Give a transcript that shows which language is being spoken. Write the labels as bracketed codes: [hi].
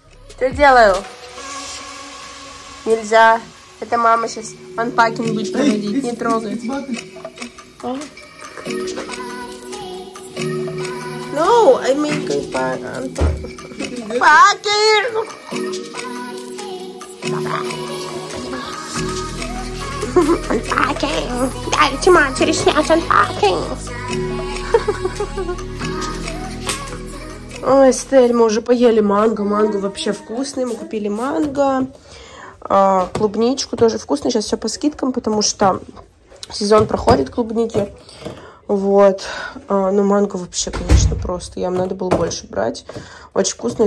[ru] Что я делаю? Нельзя. Это мама сейчас анпакинг будет проводить, не трогай. [en] No, I mean goodbye, unpacking. Unpacking. Daddy, come on, finish now, unpacking. [ru] Ой, Стель, мы уже поели манго. Манго вообще вкусный. Мы купили манго, клубничку тоже вкусно. Сейчас все по скидкам, потому что сезон проходит клубники. Вот. Ну, манго вообще, конечно, просто. Ям надо было больше брать. Очень вкусно.